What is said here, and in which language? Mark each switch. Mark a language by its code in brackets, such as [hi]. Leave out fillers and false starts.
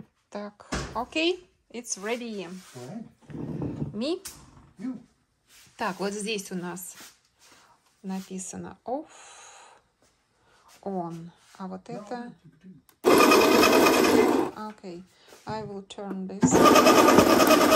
[en] Так, окей, okay, it's ready. Right. Me? You. [ru] Так, вот здесь у нас написано off, on. А вот [en] no, [ru] это... [en] Окей, okay. I will turn this.